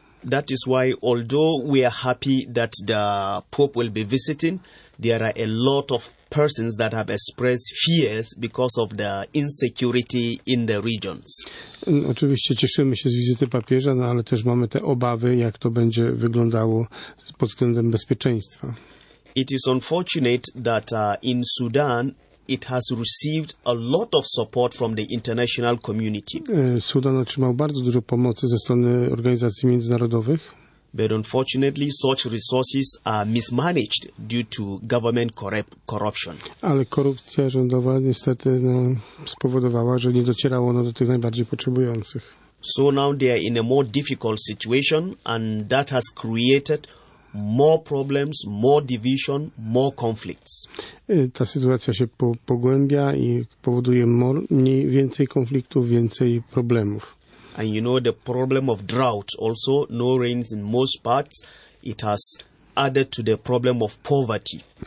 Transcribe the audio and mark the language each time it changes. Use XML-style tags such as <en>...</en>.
<en>That is why, although we are happy that the Pope will be visiting, there are a lot of persons that have expressed fears because of the insecurity in the regions.</en> <pl>Oczywiście cieszymy się z wizyty papieża, no ale też mamy te obawy, jak to będzie wyglądało pod względem bezpieczeństwa.</pl> <en>It is unfortunate that in Sudan it has received a lot of support from the international community.</en> <pl>Sudan otrzymał bardzo dużo pomocy ze strony organizacji międzynarodowych.</pl> <en>But unfortunately, such resources are mismanaged due to government corruption.</en> <pl>Ale korupcja rządowa niestety spowodowała, że nie docierało ono do tych najbardziej potrzebujących.</pl> <en>So now they are in a more difficult situation, and that has created more problems, more division, more conflicts.</en> <pl>Ta sytuacja się pogłębia i powoduje więcej konfliktów, więcej problemów.</pl> <en>And you know the problem of drought also, no rains in most parts, it has added to the problem of poverty.</en>